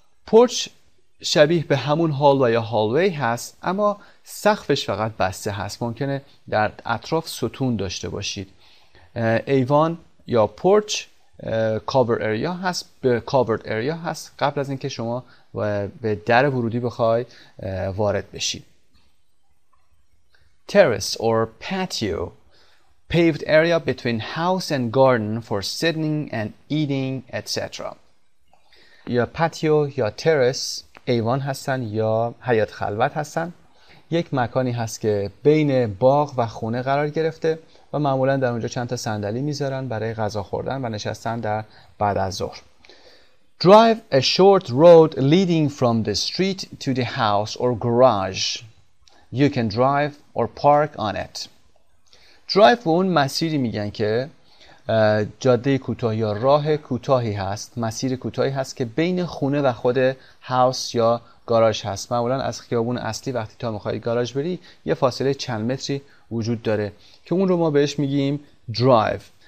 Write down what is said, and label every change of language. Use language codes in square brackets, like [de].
[fa] porch شبیه به همون hall و یا hallway هست، اما سقفش فقط بسته هست. ممکنه در اطراف ستون داشته باشید. ایوان یا پورچ کاور اریا هست، به کاور اریا هست قبل از اینکه شما به در ورودی بخوای وارد بشید. [en] terrace or patio, paved area between house and garden for sitting and eating, etc. Your patio, your terrace, [fa] ایوان هستن یا حیاط خلوت هستن؟ یک مکانی هست که بین باغ و خونه قرار گرفته و معمولا در اونجا چند تا صندلی میذارن برای غذا خوردن و نشستن در بعد از ظهر. [en] Drive a short road leading from the street to the house or garage. You can drive or park on it. [fa] Drive به اون مسیری میگن که جاده کوتاه یا راه کوتاهی هست. مسیر کوتاهی هست که بین خونه و خود هاوس یا گاراژ هست. معمولا از خیابون اصلی وقتی تا میخوای گاراژ بری یه فاصله چند متری وجود داره که اون رو ما بهش میگیم drive.